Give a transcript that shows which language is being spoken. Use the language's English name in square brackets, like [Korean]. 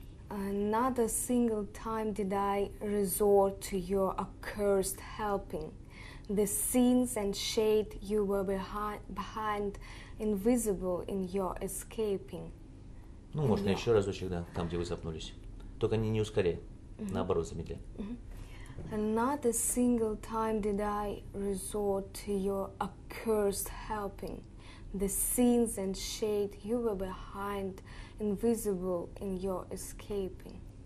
[English] Not a single time did I resort to your accursed helping. The scenes and shade you were behind, invisible in your escaping. [Russian] Ну, можно еще разочек, да, там, где вы запнулись. Только не ускоряй, mm-hmm. наоборот, замедляй. Mm-hmm. [English] Not a single time did I resort to your accursed helping. The scenes and shade you were behind, invisible in your escaping.